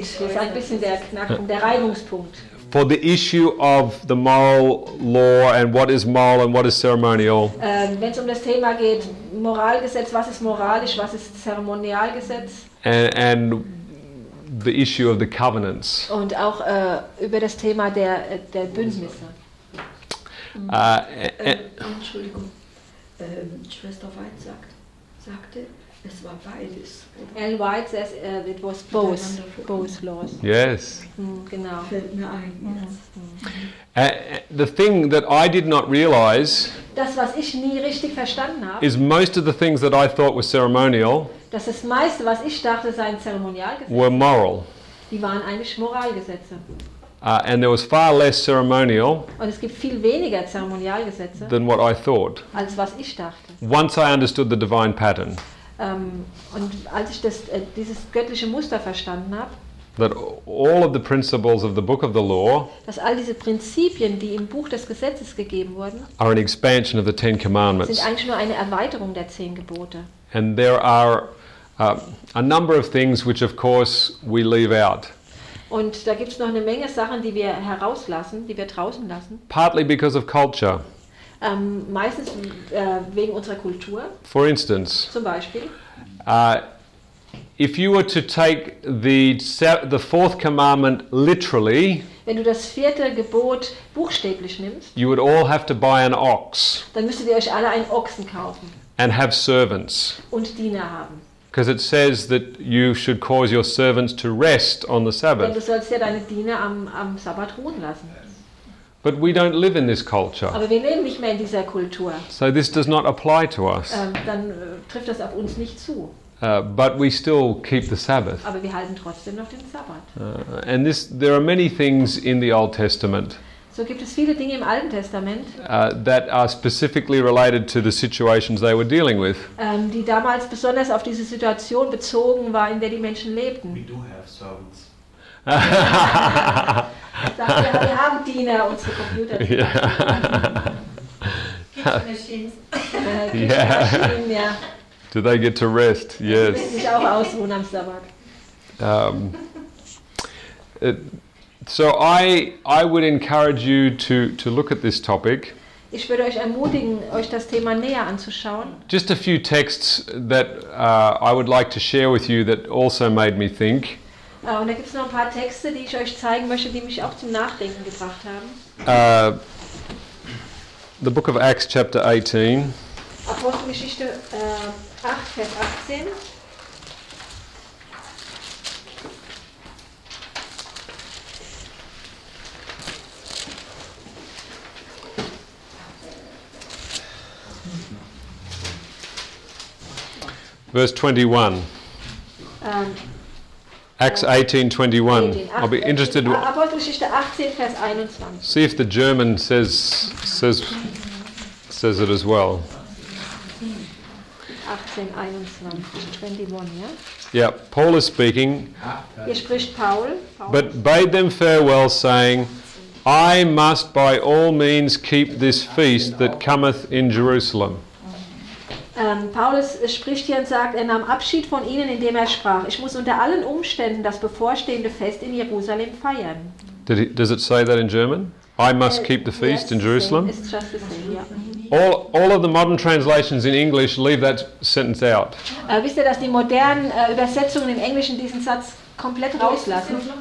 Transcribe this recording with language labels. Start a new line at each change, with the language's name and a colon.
German: Das ist ein bisschen der Knackpunkt, der Reibungspunkt.
English: For the issue of the moral law and what is moral and what is ceremonial.
German: Wenn es um das Thema geht, Moralgesetz, was ist moralisch, was ist Zeremonialgesetz?
English: And the issue of the covenants.
German: Und auch über das Thema der Bündnisse. Entschuldigung. Schwester White sagte, es war beides.
English: Ellen White says it was both laws. Yes.
German: Genau. Fällt mir ein.
English: The thing that I did not realize.
German: Das, was ich nie richtig verstanden habe.
English: Is most of the things that I thought were ceremonial.
German: Das ist meiste, was ich dachte, seien Zeremonialgesetze.
English: Were moral.
German: Die waren eigentlich Moralgesetze.
English: And there was far less ceremonial.
German: Und es gibt viel weniger Zeremonialgesetze.
English: Than what I thought.
German: Als was ich dachte.
English: Once I understood the divine pattern.
German: Und als ich das dieses göttliche Muster verstanden habe.
English: That all of the principles of the Book of the Law.
German: Dass all diese Prinzipien, die im Buch des Gesetzes gegeben wurden.
English: Are an expansion of the Ten Commandments.
German: Sind eigentlich nur eine Erweiterung der Zehn Gebote.
English: And there are a number of things which, of course, we leave out.
German: Und da gibt es noch eine Menge Sachen, die wir herauslassen, die wir draußen lassen.
English: Partly because of culture.
German: Meistens wegen unserer Kultur.
English: For instance.
German: Zum Beispiel.
English: If you were to take the fourth commandment literally.
German: Wenn du das vierte Gebot buchstäblich nimmst.
English: You would all have to buy an ox.
German: Dann müsstet ihr euch alle einen Ochsen kaufen.
English: And have servants.
German: Und Diener haben.
English: Because it says that you should cause your servants to rest on the Sabbath.
German: Denn du sollst ja deine Diener am Sabbat ruhen lassen.
English: But we don't live in this culture.
German: Aber wir leben nicht mehr in dieser Kultur.
English: So this does not apply to us.
German: Dann trifft das auf uns nicht zu.
English: But we still keep the Sabbath.
German: Aber wir halten trotzdem noch den Sabbat.
English: And this, there are many things in the Old Testament.
German: So gibt es viele Dinge im Alten Testament,
English: that are specifically related to the situations they were dealing with.
German: Die damals besonders auf diese Situation bezogen war, in der die Menschen lebten.
English: We do have servants.
German: Wir haben Diener, unsere Computer.
English: Yeah. Kitchen machines. Yeah. Do they get to rest? Yes.
German: Sie können sich auch ausruhen am Sabbat.
English: So I would encourage you to look at this topic.
German: Ich würde euch ermutigen, euch das Thema näher anzuschauen.
English: Just a few texts that I would like to share with you that also made me think.
German: Und da gibt's noch ein paar Texte, die ich euch zeigen möchte, die mich auch zum Nachdenken gebracht haben.
English: The book of Acts chapter 18.
German: Apostelgeschichte 8 Vers 18.
English: Verse 21. Acts 18:21. I'll be interested.
German: Apostelgeschichte 18, Vers 21.
English: See if the German says it as well. 18:21. Yeah, Paul is speaking.
German: Hier spricht Paul.
English: But bade them farewell, saying, I must by all means keep this feast that cometh in Jerusalem.
German: Paulus spricht hier und sagt, er nahm Abschied von ihnen, indem er sprach, ich muss unter allen Umständen das bevorstehende Fest in Jerusalem feiern.
English: Does it say that in German? I must keep the feast, yes, in Jerusalem? It's just the same, yeah. All of the modern translations in English leave that sentence out.
German: Wisst ihr, dass die modernen Übersetzungen im Englischen diesen Satz komplett rauslassen?